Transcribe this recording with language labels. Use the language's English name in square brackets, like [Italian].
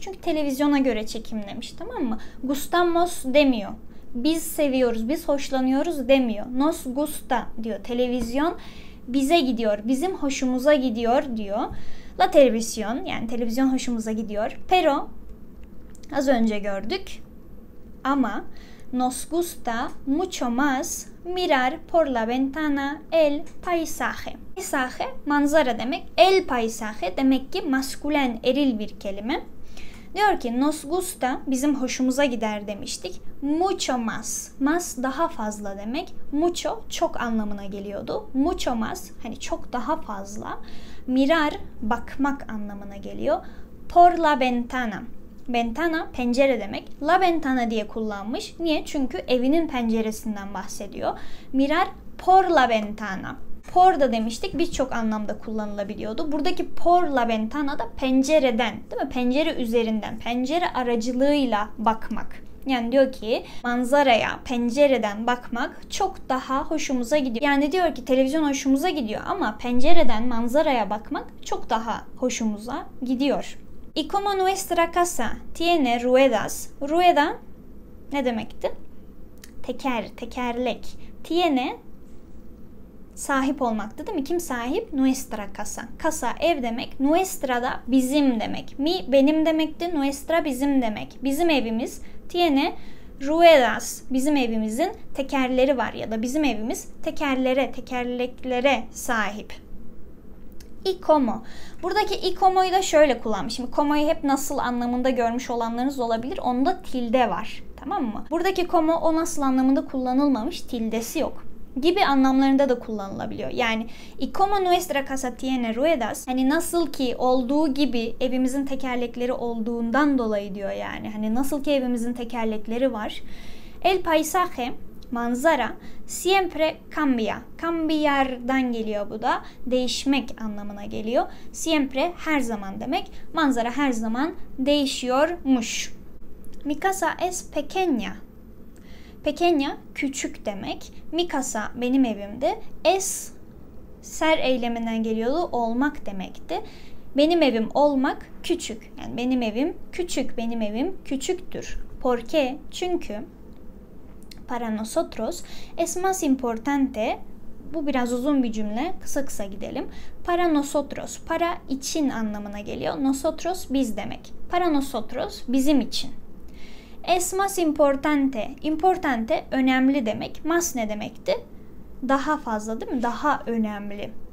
[Turkish] Çünkü televizyona göre çekimlemiş, tamam mı? Gustamos demiyor. Biz seviyoruz, biz hoşlanıyoruz demiyor. [Spanish] Nos gusta [Turkish] diyor. Televizyon bize gidiyor, bizim hoşumuza gidiyor diyor. [Spanish] La televisión, [Turkish] yani televizyon hoşumuza gidiyor. Pero, az önce gördük. [Spanish] Ama, nos gusta mucho más mirar por la ventana el paisaje. [Turkish] Paisaje, manzara demek. [Spanish] El paisaje [Turkish] demek ki maskülen, eril bir kelime. Diyor ki [Spanish] nos gusta, [Turkish] bizim hoşumuza gider demiştik. [Spanish] Mucho más. [Turkish] Más daha fazla demek. Mucho çok anlamına geliyordu. [Spanish] Mucho más, [Turkish] hani çok daha fazla. Mirar, bakmak anlamına geliyor. [Spanish] Por la ventana. Ventana, [Turkish] pencere demek. [Spanish] La ventana [Turkish] diye kullanmış. Niye? Çünkü evinin penceresinden bahsediyor. [Spanish] Mirar por la ventana. [Turkish] Por da demiştik, birçok anlamda kullanılabiliyordu. Buradaki [Spanish] por la ventana [Turkish] da pencereden, değil mi? Pencere üzerinden, pencere aracılığıyla bakmak. Yani diyor ki manzaraya pencereden bakmak çok daha hoşumuza gidiyor. Yani diyor ki televizyon hoşumuza gidiyor ama pencereden manzaraya bakmak çok daha hoşumuza gidiyor. [Spanish] Y como nuestra casa tiene ruedas. [Turkish] Rueda ne demekti? Teker, tekerlek. Tiene sahip olmaktı değil mi? Kim sahip? [Spanish] Nuestra casa. [Turkish] Casa ev demek. Nuestra da bizim demek. Mi benim demekti. Nuestra bizim demek. Bizim evimiz. [Spanish] Tiene ruedas. [Turkish] Bizim evimizin tekerleri var ya da bizim evimiz tekerlere, tekerleklere sahip. [Spanish] Y como. [Turkish] Buradaki y como'yu da şöyle kullanmış. Şimdi como'yu hep nasıl anlamında görmüş olanlarınız olabilir. Onda tilde var. Tamam mı? Buradaki como o nasıl anlamında kullanılmamış. Tildesi yok. Gibi anlamlarında da kullanılabiliyor. [Spanish] Yani y como nuestra casa tiene ruedas. [Turkish] Hani nasıl ki olduğu gibi evimizin tekerlekleri olduğundan dolayı diyor yani. Hani nasıl ki evimizin tekerlekleri var. [Spanish] El paisaje, manzara, siempre cambia. [Turkish] Cambiar'dan geliyor bu da. Değişmek anlamına geliyor. Siempre her zaman demek. Manzara her zaman değişiyormuş. [Spanish] Mi casa es pequeña. Pequeña, [Turkish] küçük demek. [Spanish] Mi casa, [Turkish] benim evimde. Es, ser eyleminden geliyordu. Olmak demekti. Benim evim olmak, küçük. Yani benim evim küçük, benim evim küçüktür. [Spanish] ¿Por qué? Çünkü para nosotros es más importante. [Turkish] Bu biraz uzun bir cümle, kısa kısa gidelim. [Spanish] Para nosotros, [Turkish] para için anlamına geliyor. Nosotros, biz demek. [Spanish] Para nosotros, [Turkish] bizim için. [Spanish] Es más importante. Importante, [Turkish] önemli demek. Más ne demekti? Daha fazla değil mi? Daha önemli.